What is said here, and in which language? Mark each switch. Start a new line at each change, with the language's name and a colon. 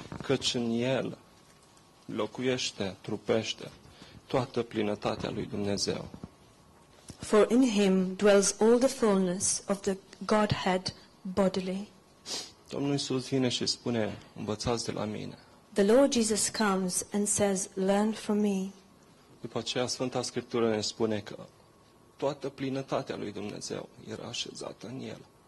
Romanian: Căci în el locuiește, trupește toată plinătatea lui Dumnezeu.
English: For in him dwells all the fullness of the Godhead bodily.
Romanian: Domnul Iisus vine și spune, învățați de la mine.
English: The Lord Jesus comes and says, learn from me.
Romanian: După aceea, Sfânta Scriptură ne spune că toată plinătatea lui Dumnezeu era așezată în el.